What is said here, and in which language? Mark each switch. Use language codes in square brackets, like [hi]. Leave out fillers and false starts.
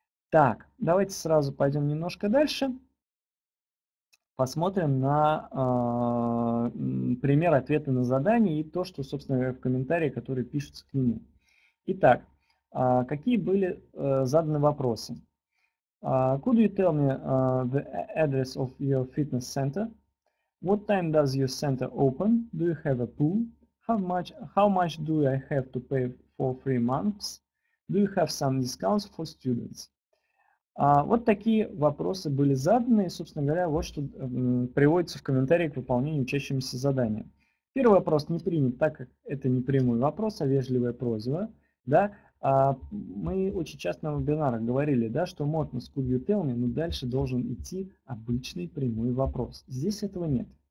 [ru] Так, давайте сразу пойдем немножко дальше. Посмотрим на пример ответа на задание и то, что, собственно говоря, в комментарии, которые пишутся к нему. Итак, какие были заданы вопросы? [en] Could you tell me the address of your fitness center? What time does your center open? Do you have a pool? How much do I have to pay for 3 months? Do you have some discounts for students? [ru] Вот такие вопросы были заданы, и, собственно говоря, вот что приводится в комментарии к выполнению учащимися задания. Первый вопрос не принят, так как это не прямой вопрос, а вежливая просьба. Да? Мы очень часто на вебинарах говорили, да, что modness [en] could you tell me, [ru] но дальше должен идти обычный прямой вопрос. Здесь этого нет.